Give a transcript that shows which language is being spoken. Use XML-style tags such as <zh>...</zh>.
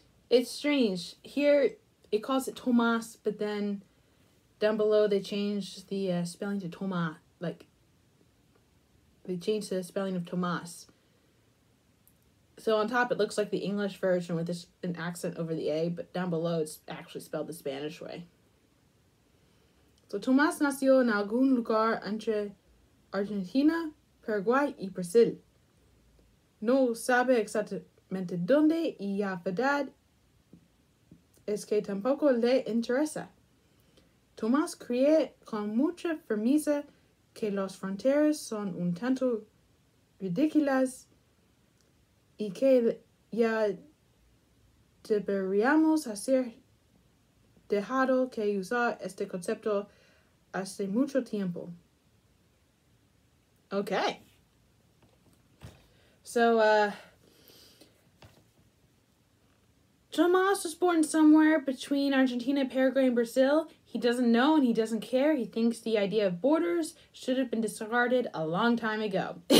<en>It's strange. Here, it calls it Tomas, but then down below, they change the spelling to Tomas. Like, they change the spelling of Tomas. So on top, it looks like the English version with this, an accent over the A, but down below, it's actually spelled the Spanish way.</en> <es>So Tomás nació en algún lugar entre Argentina, Paraguay y Brasil. No sabe exactamente dónde y la verdad es que tampoco le interesa. Tomás cree con mucha firmeza que las fronteras son un tanto ridículas y que ya deberíamos hacer dejado que usar este concepto hace mucho tiempo.</es> <en>Okay. So, Tomas was born somewhere between Argentina, Paraguay, and Brazil. He doesn't know and he doesn't care. He thinks the idea of borders should have been discarded a long time ago.</en>